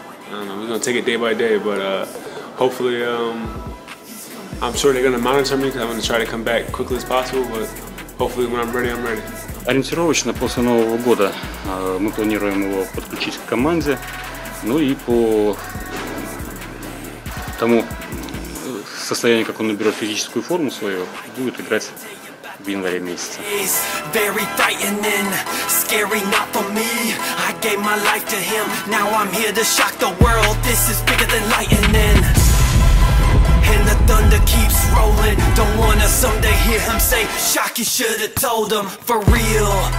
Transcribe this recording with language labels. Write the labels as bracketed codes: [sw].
[en] We're gonna take it day by day, but hopefully. I'm sure they're going to monitor me, because I'm going to try to come back as quickly as possible, but hopefully when I'm ready, I'm ready. [ru] Ориентировочно после Нового года мы планируем его подключить к команде. Ну и по тому состоянию, как он наберет физическую форму свою, будет играть в январе месяце. [en] Very frightening, scary not for me. I gave my life to him, now I'm here to shock the world. This is bigger than lightning. And the thunder keeps rolling. Don't wanna someday hear him say, "Shock, you should've told him for real."